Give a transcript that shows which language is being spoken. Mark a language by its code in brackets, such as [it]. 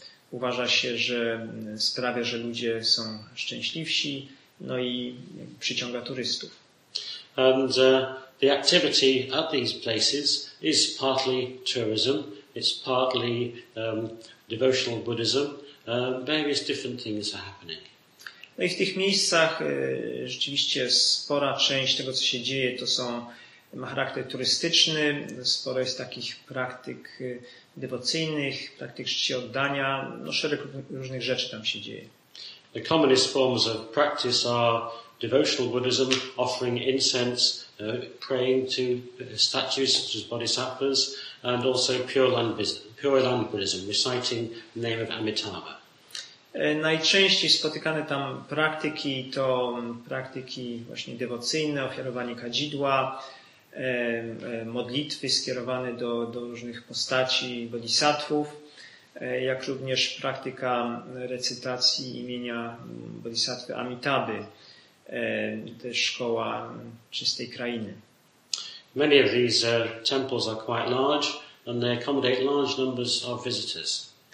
[pl] Uważa się, że sprawia, że ludzie są szczęśliwsi, no i przyciąga turystów. [en] And the activity at these places is partly tourism, it's partly devotional Buddhism, various different things are happening. [pl] No i w tych miejscach rzeczywiście spora część tego, co się dzieje, ma charakter turystyczny, sporo jest takich praktyk dewocyjnych, praktyk czci oddania, szereg różnych rzeczy tam się dzieje. [en] The commonest forms of practice are devotional Buddhism, offering incense, praying to statues such as bodhisattvas, and also Pure Land Buddhism, reciting the name of Amitabha. [pl] Najczęściej spotykane tam praktyki to praktyki właśnie dewocyjne, ofiarowanie kadzidła, modlitwy skierowane do różnych postaci bodhisattwów, jak również praktyka recytacji imienia bodhisattwy Amitaby, też szkoła czystej krainy. [en] Many of these temples are quite large and they accommodate large numbers of visitors.